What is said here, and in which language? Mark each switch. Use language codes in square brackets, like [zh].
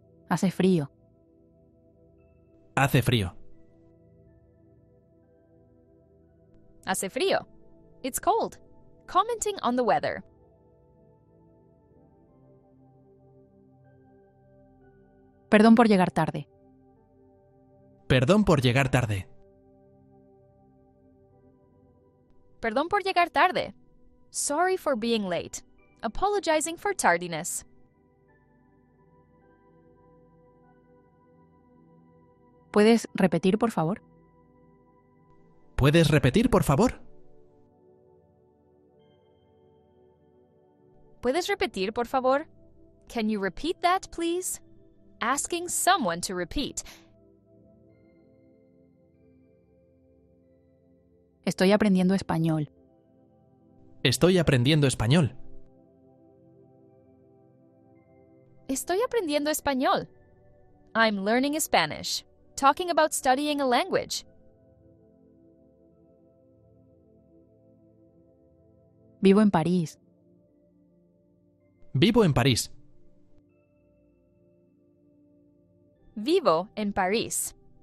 [es] Hace frío. Hace frío. Hace frío. [en] It's cold. Commenting on the weather. [es] Perdón por llegar tarde. Perdón por llegar tarde. Perdón por llegar tarde. [en] Sorry for being late. Apologizing for tardiness. [es] ¿Puedes repetir, por favor? ¿Puedes repetir, por favor? ¿Puedes repetir, por favor? [en] Can you repeat that, please? Asking someone to repeat. [es] Estoy aprendiendo español. Estoy aprendiendo español. Estoy aprendiendo español. [en] I'm learning Spanish. Talking about studying a language. [es] Vivo en París. Vivo en París. Vivo en París.